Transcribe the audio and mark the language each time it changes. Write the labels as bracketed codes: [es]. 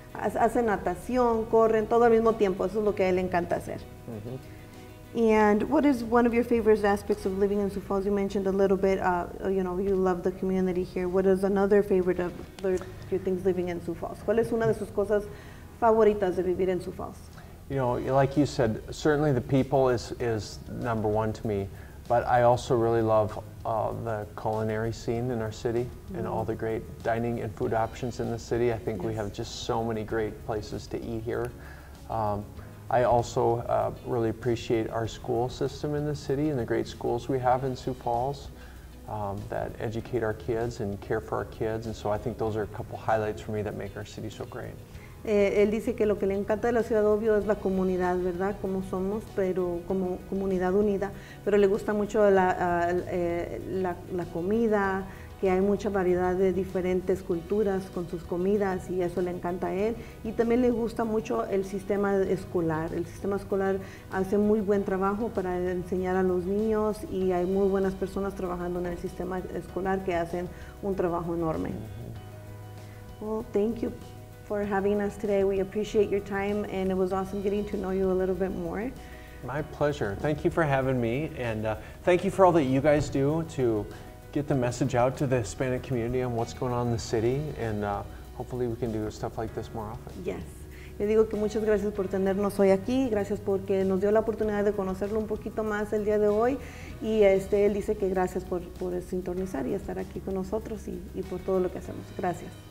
[es] Hace natación, corren, todo al mismo tiempo. Eso es lo que a él le encanta hacer. Mm-hmm. [en] And what is one of your favorite aspects of living in Sioux Falls? You mentioned a little bit, you know, you love the community here. What is another favorite of your things living in Sioux Falls? [es] ¿Cuál es una de sus cosas favoritas de vivir en Sioux Falls? [en] You know, like you said, certainly the people is number one to me. But I also really love the culinary scene in our city, mm-hmm. and all the great dining and food options in the city. I think yes. We have just so many great places to eat here. I also really appreciate our school system in the city and the great schools we have in Sioux Falls that educate our kids and care for our kids. And so I think those are a couple highlights for me that make our city so great. [es] Él dice que lo que le encanta de la ciudad, obvio, es la comunidad, ¿verdad? Como somos, pero como comunidad unida. Pero le gusta mucho la comida, que hay mucha variedad de diferentes culturas con sus comidas y eso le encanta a él. Y también le gusta mucho el sistema escolar. El sistema escolar hace muy buen trabajo para enseñar a los niños y hay muy buenas personas trabajando en el sistema escolar que hacen un trabajo enorme. [en] Well, thank you for having us today. We appreciate your time and it was awesome getting to know you a little bit more. My pleasure. Thank you for having me and thank you for all that you guys do to get the message out to the Hispanic community on what's going on in the city and hopefully we can do stuff like this more often. Yes. [es] Le digo que muchas gracias por tenernos hoy aquí, gracias porque nos dio la oportunidad de conocerlo un poquito más el día de hoy y él dice que gracias por sintonizar y estar aquí con nosotros y por todo lo que hacemos. Gracias.